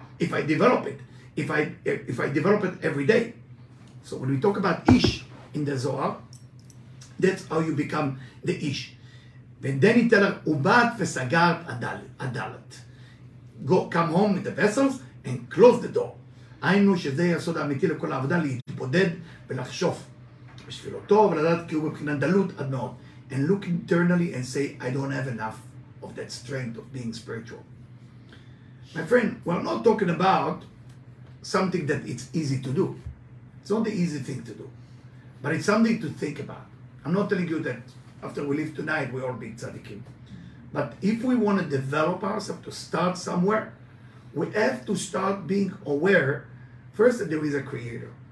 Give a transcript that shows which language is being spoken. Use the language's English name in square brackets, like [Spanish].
[English] If I develop it, if I develop it every day. So when we talk about Ish in the Zohar, that's how you become the Ish. [Hebrew] And then he tell her, Ubat v'sagart adalat. [English] Go, come home with the vessels, and close the door. [Hebrew] היינו שזה יסוד האמיתי לכל העבודה, להתבודד ולחשוף. בשביל אותו, ולדעת כי הוא מבחינת דלות עד מאוד. [English] and look internally and say, I don't have enough of that strength of being spiritual. My friend, we're not talking about something that it's easy to do. It's not the easy thing to do, but it's something to think about. I'm not telling you that after we leave tonight, we all be tzaddikim. But if we want to develop ourselves to start somewhere, we have to start being aware, first, that there is a creator.